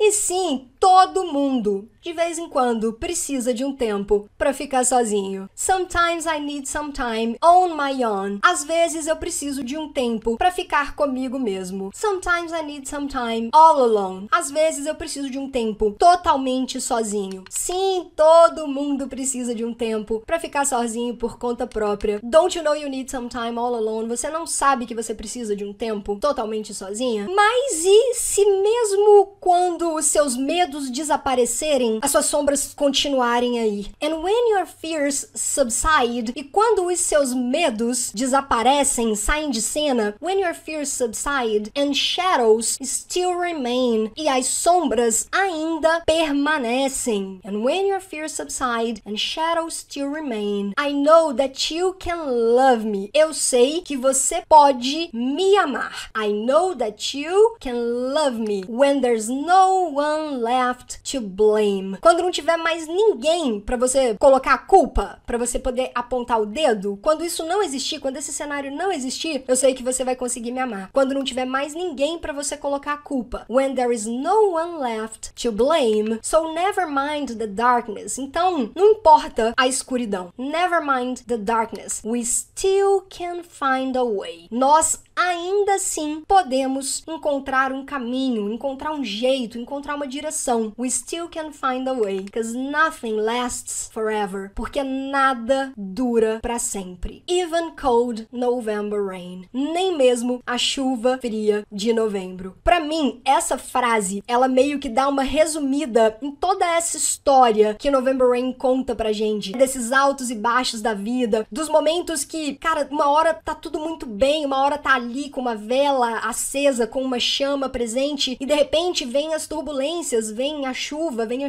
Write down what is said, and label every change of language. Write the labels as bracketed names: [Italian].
[Portuguese] Sim, todo mundo, de vez em quando, precisa de um tempo pra ficar sozinho. [English] Sometimes I need some time on my own. [Portuguese] Às vezes eu preciso de um tempo pra ficar comigo mesmo. [English] Sometimes I need some time all alone. [Portuguese] Às vezes eu preciso de um tempo totalmente sozinho. Sim, todo mundo precisa de um tempo pra ficar sozinho por conta própria. [English] Don't you know you need some time all alone? [Portuguese] Você não sabe que você precisa de um tempo totalmente sozinha? Mas e se mesmo quando os seus medos desaparecerem, as suas sombras continuarem aí? [English] And when your fears subside, [Portuguese] e quando os seus medos desaparecem, saem de cena, [English] when your fears subside and shadows still remain, [Portuguese] e as sombras ainda permanecem. [English] And when your fears subside and shadows still remain, I know that you can love me. [Portuguese] Eu sei que você pode me amar. [English] I know that you can love me when there's no one left to blame. [Portuguese] Quando não tiver mais ninguém pra você colocar a culpa, pra você poder apontar o dedo, quando isso não existir, quando esse cenário não existir, eu sei que você vai conseguir me amar. Quando não tiver mais ninguém pra você colocar a culpa. [English] When there is no one left to blame, so never mind the darkness. [Portuguese] Então, não importa a escuridão. [English] Never mind the darkness. We still can find a way. [Portuguese] Nós ainda assim podemos encontrar um caminho, encontrar um jeito, encontrar uma direção. [English] We still can find a way, because nothing lasts forever. [Portuguese] Porque nada dura pra sempre. [English] Even cold November rain. [Portuguese] Nem mesmo a chuva fria de novembro. Pra mim, essa frase, ela meio que dá uma resumida em toda essa história que November Rain conta pra gente. Desses altos e baixos da vida, dos momentos que, cara, uma hora tá tudo muito bem, uma hora tá ali com uma vela acesa, com uma chama presente, e de repente vem as turbulências, vem a chuva